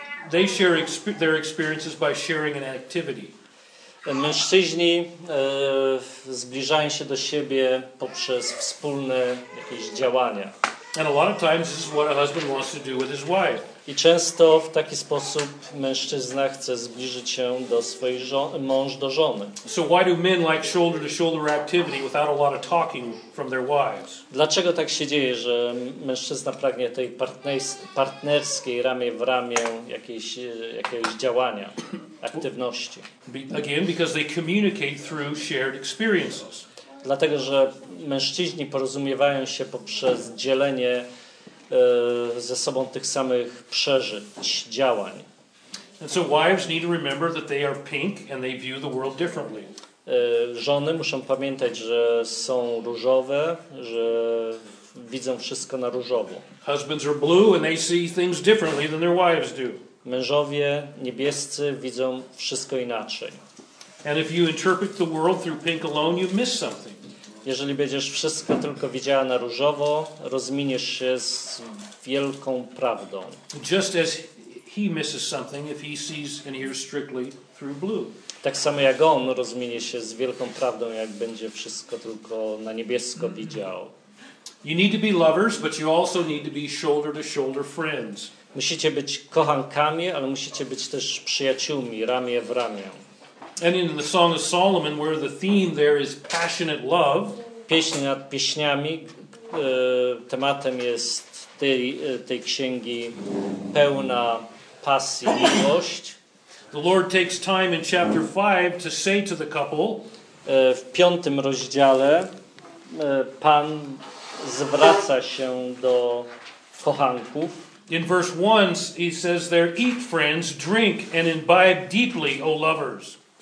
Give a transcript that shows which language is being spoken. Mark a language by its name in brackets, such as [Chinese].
[English] They share their experiences by sharing an activity. [Polish] Mężczyźni zbliżają się do siebie poprzez wspólne jakieś działania. [English] And a lot of times this is what a husband wants to do with his wife. [Polish] I często w taki sposób mężczyzna chce zbliżyć się do swojej żony, mąż do żony. [English] So why do men like shoulder to shoulder activity without a lot of talking from their wives? [Polish] Dlaczego tak się dzieje, że mężczyzna pragnie tej partnerskiej ramię w ramię jakiejś działania, aktywności? [English] Again, because they communicate through shared experiences. [Polish] Dlatego, że mężczyźni porozumiewają się poprzez dzielenie ze sobą tych samych przeżyć, działań. [English] And so wives need to remember that they are pink and they view the world differently. [Polish] Żony muszą pamiętać, że są różowe, że widzą wszystko na różowo. [English] Husbands are blue and they see things differently than their wives do. [Polish] Mężowie niebiescy widzą wszystko inaczej. [English] And if you interpret the world through pink alone, you miss something. [Polish] Jeżeli będziesz wszystko tylko widziała na różowo, rozminiesz się z wielką prawdą. [English] Just as he misses something if he sees and hears strictly through blue. [Polish] Tak samo jak on rozminie się z wielką prawdą, jak będzie wszystko tylko na niebiesko widział. [English] You need to be lovers, but you also need to be shoulder-to-shoulder friends. [Polish] Musicie być kochankami, ale musicie być też przyjaciółmi, ramię w ramię. [English] And in the Song of Solomon, where the theme there is passionate love, [Polish] pieśń nad pieśniami, tematem jest tej księgi pełna pasji i miłość. [English] The Lord takes time in chapter 5 to say to the couple, [Polish] w piątym rozdziale Pan zwraca się do kochanków. [English] In verse 1 he says there, eat friends, drink and imbibe deeply, O lovers.